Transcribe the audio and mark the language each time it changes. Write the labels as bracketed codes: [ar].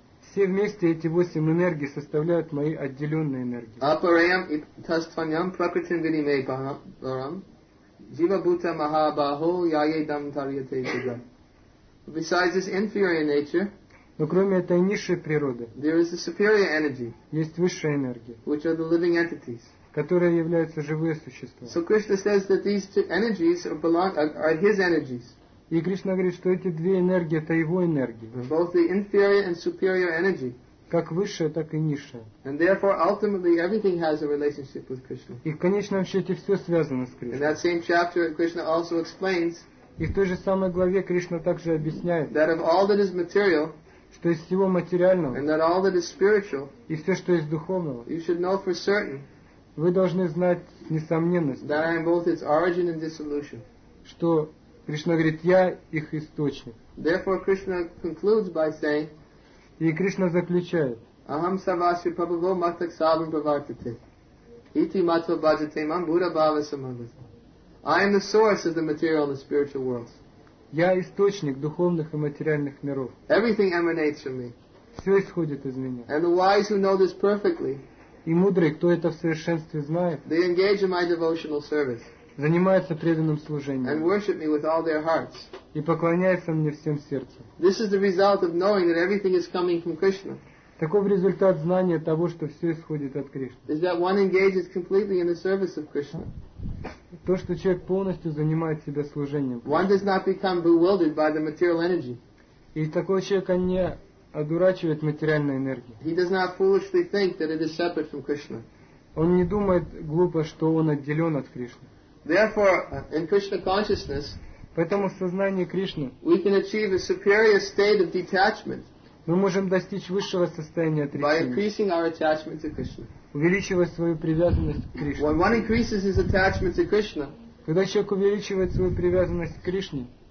[ru] Все вместе эти восемь энергий составляют мои отделенные энергии. [sa] Апарам и тастваням пракритин винимей парам. Жива бута махабахо яе дам тарьяте сида. [en] Besides this inferior nature, [ru] но кроме этой низшей природы, [en] there is a superior energy. [ru] Есть высшая энергия, [en] which are the living entities. [ru] Которые являются живые существа. [en] So Krishna says that these two energies belong are his energies. [ru] И Кришна говорит, что эти две энергии это его энергии. [en] Both the inferior and superior energy. [ru] Как высшая, так и низшая. [en] And therefore, ultimately, everything has a relationship with Krishna. [ru] И в конечном счете все связано с Кришной. [en] In that same chapter, Krishna also explains. [ru] И в той же самой главе Кришна также объясняет, [en] that of all that is material, [ru] что из всего материального [en] and that all that is spiritual, [ru] и все, что из духовного, [en] you should know for certain, [ru] вы должны знать с несомненностью, [en] that I am both its origin and dissolution. [ru] Что Кришна говорит, я их источник. [en] Therefore, Krishna concludes by saying, [ru] и Кришна заключает, [sa] Aham Savasya Prabhavo Matak Savam Bhavartate Iti Matva Bhajate Mam Buddha Bhava Samagata. [en] I am the source of the material and the spiritual worlds. [ru] Я источник духовных и материальных миров. [en] Everything emanates from me. [ru] Все исходит из меня. [en] And the wise who know this perfectly, [ru] и мудрые, кто это в совершенстве знает, [en] they engage in my devotional service, [ru] занимаются преданным служением, [en] and worship me with all their hearts, [ru] и поклоняются мне всем сердцем. [en] This is the result of knowing that everything is coming from Krishna. [ru] Таков результат знания того, что все исходит от Кришны. [en] Is that one engages completely in the service of Krishna. [ru] То, что человек полностью занимает себя служением. [en] One does not become bewildered by the material energy. [ru] И такой человек не одурачивает материальной энергией. [en] He does not foolishly think that it is separate from Krishna. [ru] Он не думает глупо, что он отделен от Кришны. [en] Therefore, in Krishna consciousness, [ru] поэтому в сознании Кришны, [en] we can achieve a superior state of detachment, [ru] мы можем достичь высшего состояния отречения, [en] by increasing our attachment to Krishna, [ru] увеличивая свою привязанность к Кришне. [en] When one increases his attachment to Krishna, [ru] когда человек увеличивает свою привязанность к Кришне,